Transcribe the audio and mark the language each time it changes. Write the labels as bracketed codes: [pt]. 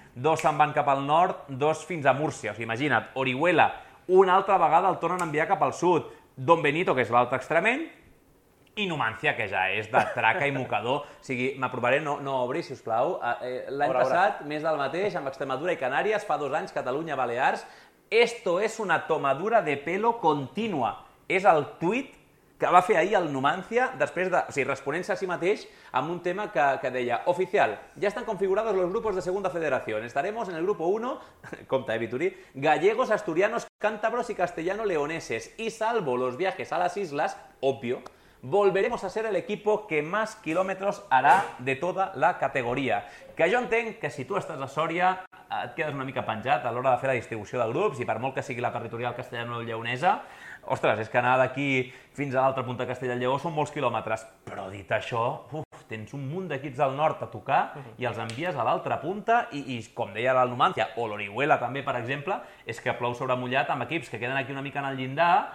[ca] Dos se'n van cap al nord, dos fins a Múrcia. O sigui, imagina't, Orihuela, una altra vegada el tornen a enviar cap al sud. Don Benito, que és l'altre extremeny, i Numancia, que ja és de traca i mocador. O sigui, m'aprovaré, no obri, sisplau. L'any passat, més del mateix, amb Extremadura i Canàries, fa dos anys, Catalunya, Balears. [es] Esto es una tomadura de pelo continua. [ca] És el tuit que va fer ahir el Numancia, després de, o sigui, responent-se a si mateix amb un tema que deia: [es] oficial, ya están configurados los grupos de segunda federación, estaremos en el grupo 1, compta, Vituri, gallegos, asturianos, cántabros y castellano-leoneses, y salvo los viajes a las islas, obvio, volveremos a ser el equipo que más kilómetros hará de toda la categoría. [ca] Que jo entenc que si tu estàs a Sòria et quedes una mica penjat a l'hora de fer la distribució de grups, i per molt que sigui la territorial castellano-leonesa, ostres, és que anar d'aquí fins a l'altra punta de Castellà i Lleó són molts quilòmetres. Però dit això, tens un munt d'equips del nord a tocar i els envies a l'altra punta i com deia la Numancia, o l'Orihuela també, per exemple, és que plou sobre mullat amb equips que queden aquí una mica en el llindar.